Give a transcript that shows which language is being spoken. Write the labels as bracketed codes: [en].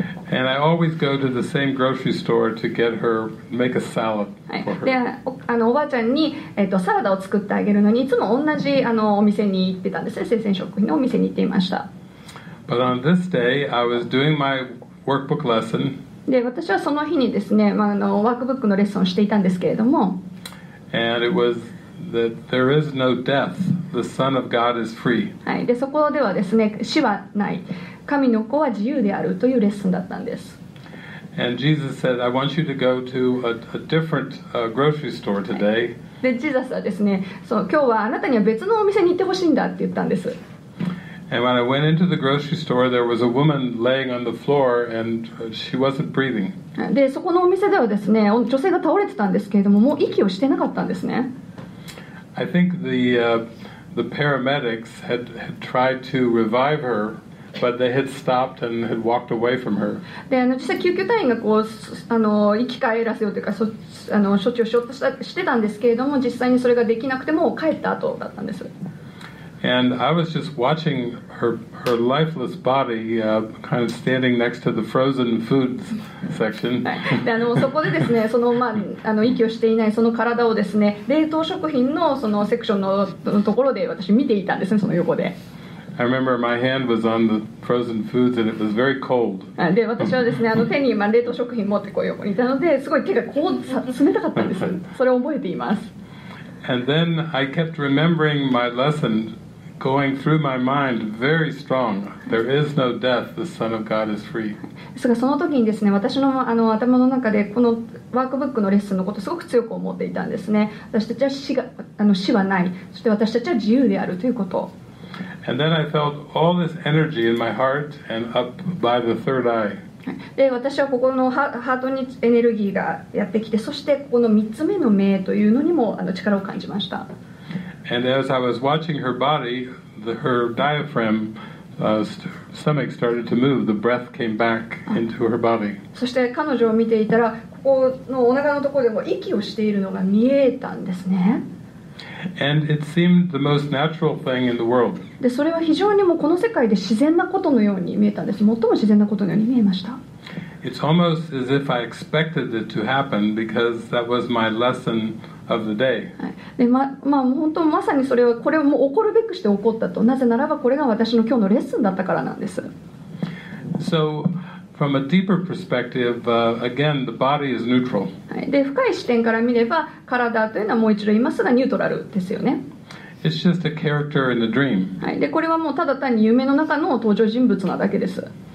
[en] And I always go to the same grocery store to get her, make a salad for her. [ja] で おばあちゃんに、サラダを作ってあげるのにいつも同じお店に行ってたんですね。生鮮食品のお店に行っていました。 [en] But on this day, I was doing my workbook lesson [ja] で私はその日にですね、まあ、ワークブックのレッスンをしていたんですけれども、そこではですね、死はない、神の子は自由であるというレッスンだったんです。 [en] And Jesus said, I want you to go to a different grocery store today. [ja] でジーザスはですね、そう、今日はあなたには別のお店に行ってほしいんだって言ったんです。 [en] And when I went into the grocery store, there was a woman laying on the floor, and she wasn't breathing. [ja] で、そこのお店ではですね、女性が倒れてたんですけれども、もう息をしてなかったんですね。 [en] I think the paramedics had tried to revive her, but they had stopped and had walked away from her. [ja] で、実際救急隊員がこう息返らせようというか、処置をしようとしてたんですけれども、実際にそれができなくてもう帰った後だったんです。 [en] And I was just watching her lifeless body, kind of standing next to the frozen foods section. [ja] で、そこでですね、その、まあ、息をしていないその体をですね、冷凍食品のそのセクションのところで私見ていたんですね、その横で。 [en] I remember my hand was on the frozen foods and it was very cold. [ja] で、私はですね、手に今冷凍食品持ってこう横にいたので、すごい手が凍っ、冷たかったんです。それを覚えています。 [en] And then I kept remembering my lesson going through my mind very strong. There is no death. The Son of God is free. [ja] ですがその時にですね、私の頭の中でこのワークブックのレッスンのことをすごく強く思っていたんですね。私たちは死はない。そして私たちは自由であるということ。 [en] And then I felt all this energy in my heart and up by the third eye. [ja] で私はここのハートにエネルギーがやってきて、そしてここの三つ目の目というのにも力を感じました。 [en] And as I was watching her body, her diaphragm, stomach started to move. The breath came back into her body. [ja] そして彼女を見ていたら、ここのお腹のところでも息をしているのが見えたんですね。 [en] And it seemed the most natural thing in the world. [ja] で、それは非常にもこの世界で自然なことのように見えたんです。最も自然なことのように見えました。 [en] It's almost as if I expected it to happen because that was my lesson of the day. [ja] で、本当まさにそれはこれはもう起こるべくして起こったと。なぜならばこれが私の今日のレッスンだったからなんです。 [en] So,From a deeper perspective, again, the body is neutral. [ja] で、深い視点から見れば、体というのはもう一度今すぐニュートラルですよね。 [en] It's just a character in the dream. [ja] で、これはもうただ単に夢の中の登場人物なだけです。